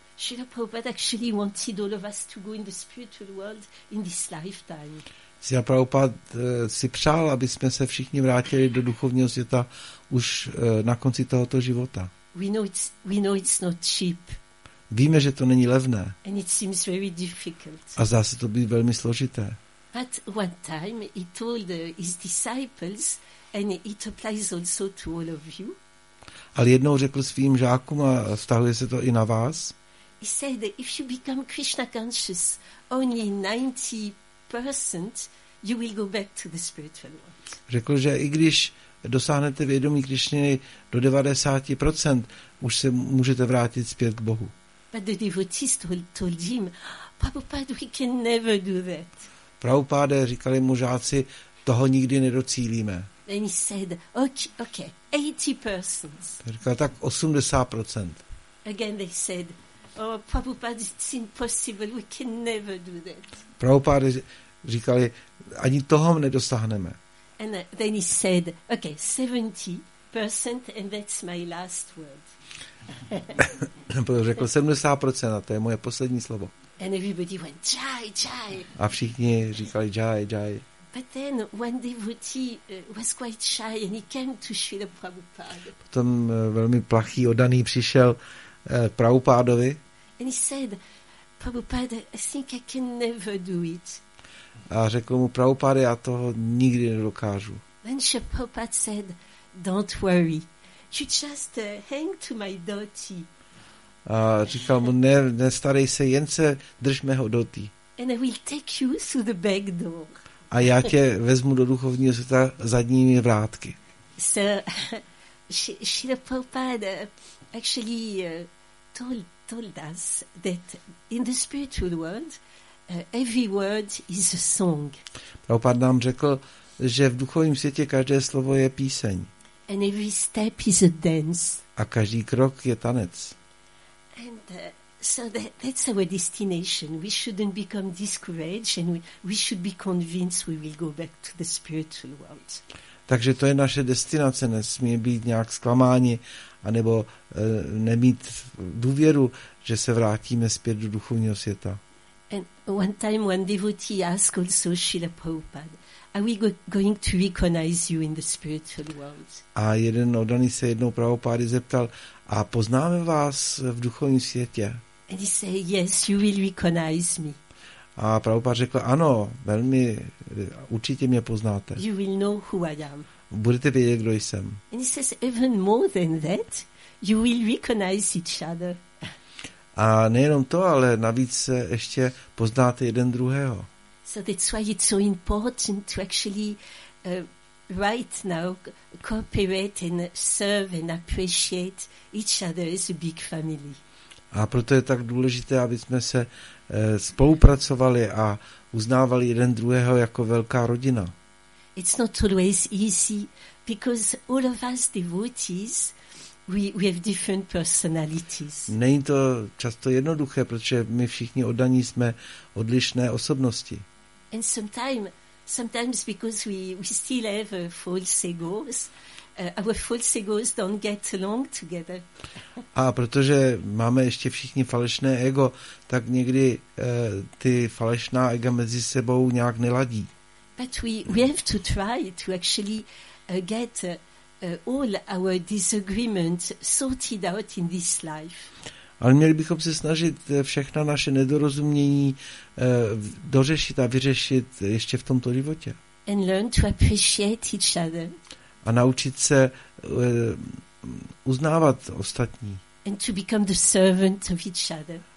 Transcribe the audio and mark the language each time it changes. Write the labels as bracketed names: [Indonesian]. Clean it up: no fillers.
[English] Srila Prabhupada actually wanted all of us to go in the spiritual world in this lifetime. [Czech] Srila Prabhupada si přál, aby jsme se všichni vrátili do duchovního světa už na konci tohoto života. [English] We know it's not cheap. [Czech] Víme, že to není levné. [English] And it seems very difficult. [Czech] A zdá se to být velmi složité. [English] But one time he told his disciples, and it applies also to all of you. [Czech] Ale jednou řekl svým žákům a vztahuje se to i na vás. [English] He said that if you become Krishna conscious only 90%, you will go back to the spiritual world. [Czech] Řekl, že i když dosáhnete vědomí Krišny do 90%, už se můžete vrátit zpět k Bohu. [English] But the devotees told him, Prabhupada, we can never do that. [Czech] Prabhupada, říkali mu žáci, toho nikdy nedocílíme. [English] Then he said, okay, 80%. [Czech] Říkal, tak 80%. [English] Again they said, oh, Prabhupada, it's impossible, we can never do that. [Czech] Prabhupada říkali, ani toho nedosáhneme. [English] And then he said, okay, 70%, and that's my last word. [Czech] Řekl 70%, a to je moje poslední slovo. [English] And everybody went, jai, jai. [Czech] A všichni říkali, jai, jai. [English] But then one devotee was quite shy and he came to Srila Prabhupada. [Czech] Potom velmi plachý oddaný přišel k Prabhupádovi. [English] And he said, Prabhupada, I think I can never do it. [Czech] A řekl mu, Prabhupada, já toho nikdy nedokážu. [English] Then Srila Prabhupada said, don't worry, you just hang to my dhoti. [Czech] A říkal mu, nestarej se, jen se drž mého dhoti. [English] And I will take you through the back door. [Czech] A já tě vezmu do duchovního světa zadními vrátky. [English] So, Srila Prabhupada actually told us that in the spiritual world, every word is a song. [Czech] Prabhupada nám řekl, že v duchovním světě každé slovo je píseň. [English] And every step is a dance. [Czech] A každý krok je tanec. [English] And so that's our destination. We shouldn't become discouraged and we should be convinced we will go back to the spiritual world. [Czech] Takže to je naše destinace, nesmí být nějak zklamáni anebo nemít důvěru, že se vrátíme zpět do duchovního světa. [English] And one time one devotee asked also Srila Prabhupada, are we going to recognize you in the spiritual world? [Czech] A jeden oddaný se jednou Prabhupády zeptal, a poznáme vás v duchovním světě? [English] And he said, yes, you will recognize me. [Czech] A Prabhupáda řekl, ano, velmi, určitě mě poznáte. [English] You will know who I am. [Czech] Budete vědět, kdo jsem. [English] And he says, even more than that, you will recognize each other. [Czech] A nejenom to, ale navíc ještě poznáte jeden druhého. [English] So that's why it's so important to actually right now cooperate and serve and appreciate each other as a big family. [Czech] A proto je tak důležité, aby jsme se spolupracovali a uznávali jeden druhého jako velká rodina. [English] It's not always easy because all of us devotees we have different personalities. [Czech] Není to často jednoduché, protože my všichni oddaní jsme odlišné osobnosti. [English] And sometimes because we still have false egos, our false egos don't get along together. [Czech] A protože máme ještě všichni falešné ego, tak někdy ty falešná ega mezi sebou nějak neladí. [English] But we have to try to actually get all our disagreements sorted out in this life. [Czech] Ale měli bychom se snažit všechna naše nedorozumění dořešit a vyřešit ještě v tomto životě. [English] And learn to appreciate each other. [Czech] A naučit se uznávat ostatní. [English] And to become the servant of each other.